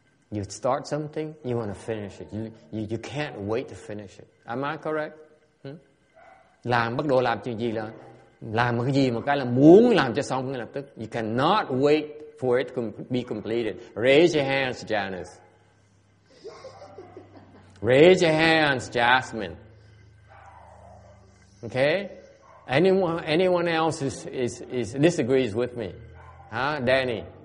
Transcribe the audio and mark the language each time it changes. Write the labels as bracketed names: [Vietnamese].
[English] You start something, you want to finish it. You can't wait to finish it. Am I correct? [Vietnamese] Bắt đầu làm chuyện gì là làm cái gì một cái là muốn làm cho xong ngay lập tức. [English] You cannot wait for it to be completed. Raise your hands, Janice. Raise your hands, Jasmine. Okay? Anyone else is disagrees with me? Huh? Danny?